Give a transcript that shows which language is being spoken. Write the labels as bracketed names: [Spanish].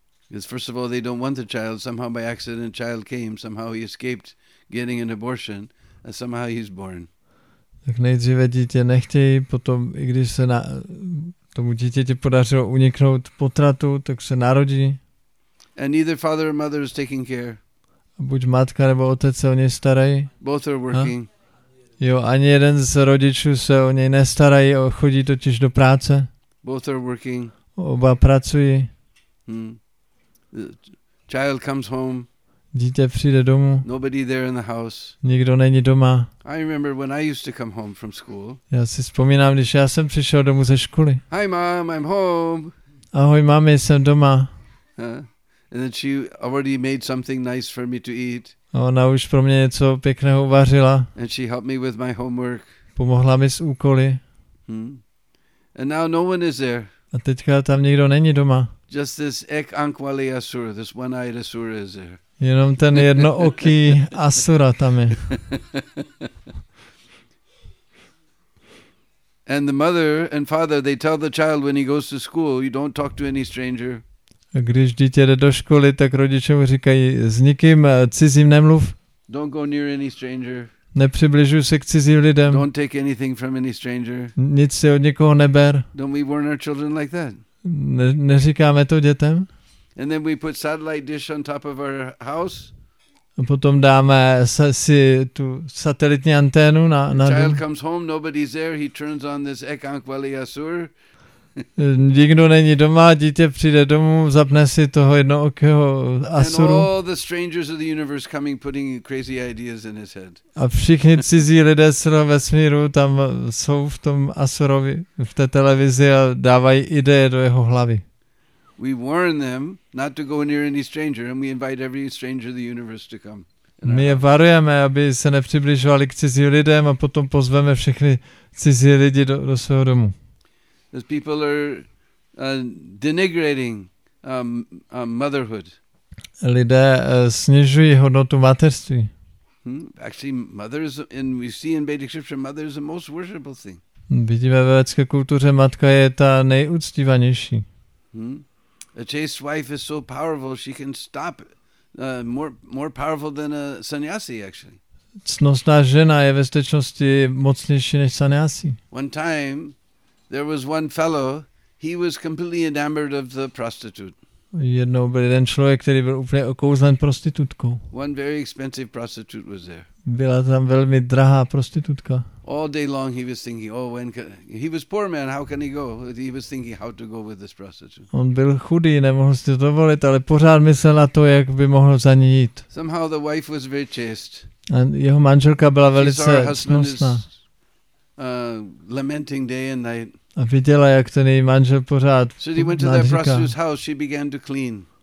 [English] Because first of all, they don't want the child. Somehow by accident, child came. Somehow he escaped getting an abortion, and somehow he's born. [Czech] Tak nejdříve dítě nechtějí, potom i když se na tomu dítěti podařilo uniknout potratu, tak se narodí. [English] And either father or mother is taking care. [Czech] Buď matka nebo otec se o něj starají. [English] Both are working. [Czech] Jo, ani jeden z rodičů se o něj nestarají, chodí totiž do práce. [English] Both are working. [Czech] Oba pracují. [English] Child comes home. [Czech] Dítě přijde domů. [English] Nobody there in the house. [Czech] Nikdo není doma. [English] I remember when I used to come home from school. [Czech] Já si vzpomínám, když já jsem přišel domů ze školy. [English] Hi mom, I'm home. [Czech] Ahoj mami, jsem doma. [English] And then she already made something nice for me to eat. [Czech] A ona už pro mě něco pěkného uvařila. [English] And she helped me with my homework. [Czech] Pomohla mi s úkoly. [English] And now no one is there. [Czech] A teďka tam nikdo není doma. [English] Just this ek ankvali asura, this one-eyed asura is there. [Czech] Jenom ten jednooký asura tam je. [English] And the mother and father, they tell the child when he goes to school, you don't talk to any stranger. [Czech] A když dítě jde do školy, tak rodiče mu říkají, s nikým cizím nemluv. [English] Don't go near any stranger. [Czech] Nepřibližuj se k cizím lidem. [English] Don't take anything from any stranger. [Czech] Nic si od někoho neber. [English] Don't we warn our children like that? [Czech] Neříkáme to dětem? [English] And then we put satellite dish on top of our house. [Czech] A potom dáme si tu satelitní anténu na dům. [English] The child comes home, nobody's there, he turns on this ek ankvali asur. [Czech] Nikdo není doma, dítě přijde domů, zapne si toho jednookého asuru. [English] And all the strangers of the universe coming putting crazy ideas in his head. [Czech] A všichni cizí lidé z celého vesmíru tam jsou v tom asurovi, v té televizi a dávají ideje do jeho hlavy. [English] We warn them not to go near any stranger and we invite every stranger of the universe to come. [Czech] My je varujeme, aby se nepřibližovali k cizí lidem a potom pozveme všechny cizí lidi do svého domu. [English] Because people are denigrating motherhood. [Czech] Lidé snižují hodnotu mateřství. [English] Actually, mothers, and we see in Vedic scripture, mother is the most worshipable thing. [Czech] Vidíme ve vedské kultuře, matka je ta nejúctívanější. [English] A chaste wife is so powerful, she can stop more powerful than a sannyasi, actually. [Czech] Cnostná žena je ve skutečnosti mocnější než sannyasi. [English] One time, there was one fellow, he was completely enamored of the prostitute. [Czech] Jednou byl jeden člověk, který byl úplně okouzlen prostitutkou. [English] One very expensive prostitute was there. [Czech] Byla tam velmi drahá prostitutka. [English] All day long he was thinking, oh, when can... He was poor man, how can he go? He was thinking how to go with this prostitute. [Czech] On byl chudý, nemohl si to dovolit, ale pořád myslel na to, jak by mohl za ní jít. [English] Somehow the wife was very chaste. [Czech] A jeho manželka byla velice cnostná. [English] Lamenting day and night. [Czech] A viděla, jak ten její manžel pořád [English] so he went to the prostitute's house, she began to clean.